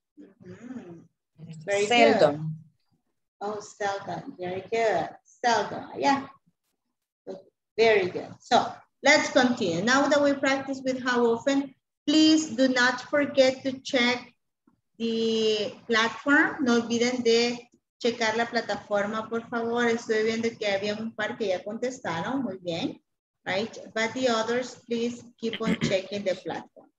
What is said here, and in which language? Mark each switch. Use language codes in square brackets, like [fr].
[en] Mm-hmm. Very seldom. Good. Oh, seldom. Very good. Seldom. Yeah. Very good. So let's continue. Now that we practice with how often, please do not forget to check the platform. [es] No olviden de checar la plataforma, por favor. Estoy viendo que había un par que ya contestaron. Muy bien. [en] Right, but the others, please keep on checking the platform.